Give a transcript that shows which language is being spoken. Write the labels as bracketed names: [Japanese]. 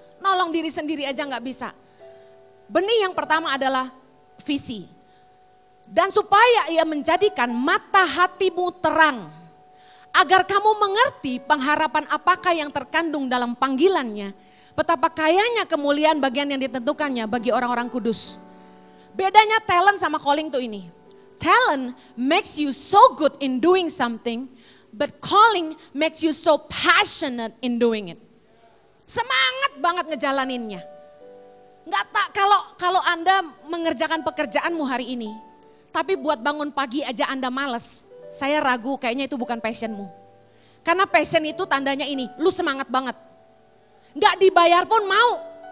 [Indonesian] Nolong diri sendiri aja gak bisa. Benih yang pertama adalah visi. Dan supaya ia menjadikan mata hatimu terang. Agar kamu mengerti pengharapan apakah yang terkandung dalam panggilannya. betapa kayanya kemuliaan bagian yang ditentukannya bagi orang-orang kudus. Bedanya talent sama calling tuh ini. [English] Talent makes you so good in doing something, but calling makes you so passionate in doing it. [Indonesian] Semangat banget ngejalaninnya. Enggak tak kalau Anda mengerjakan pekerjaanmu hari ini, tapi buat bangun pagi aja Anda malas, saya ragu kayaknya itu bukan passionmu. Karena passion itu tandanya ini, lu semangat banget. Enggak dibayar pun mau.